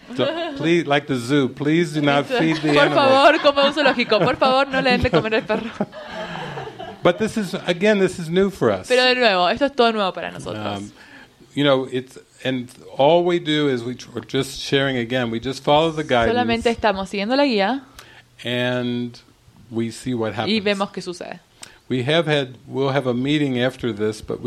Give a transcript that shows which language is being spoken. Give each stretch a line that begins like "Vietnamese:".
English: So, please, like the zoo, please do not feed the animals.
Spanish: Por favor, como un zoológico, por favor, no le den de comer al perro.
English: But this is again, this is new for us.
Spanish: Pero de nuevo, esto es todo nuevo para nosotros.
English: You know, it's and all we do is we're just sharing again. We just follow the guidance.
Spanish: Solamente estamos siguiendo la guía.
English: And we see what happens.
Spanish: Y vemos qué sucede.
English: We have had, we'll have a meeting after this, but we